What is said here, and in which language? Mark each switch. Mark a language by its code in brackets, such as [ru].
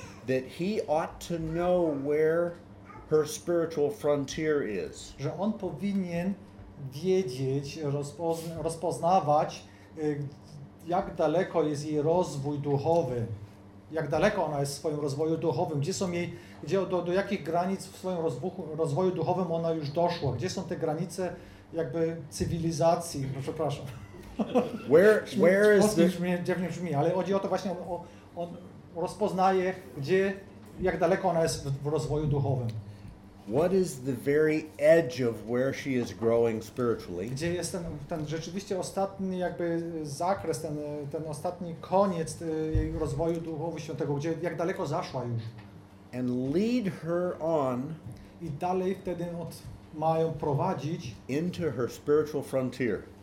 [en] That he ought to know where her spiritual frontier is. [pl] Że on powinien wiedzieć, rozpoznawać, jak daleko jest jej rozwój duchowy. Jak daleko ona jest w swoim rozwoju duchowym, gdzie są jej, gdzie do jakich granic w swoim rozwoju duchowym ona już doszła, gdzie są te granice jakby cywilizacji, no, przepraszam. [en] Where is the... [pl] ale chodzi o to właśnie, on rozpoznaje, gdzie, jak daleko ona jest w rozwoju duchowym. [en] What is the very edge of where she is growing spiritually? [pl] Gdzie jest ten rzeczywiście ostatni jakby zakres, ten ostatni koniec jej rozwoju duchowego świętego, gdzie jak daleko zaszła już? [en] And lead her on. [pl] I dalej wtedy mają prowadzić [en] into her spiritual frontier.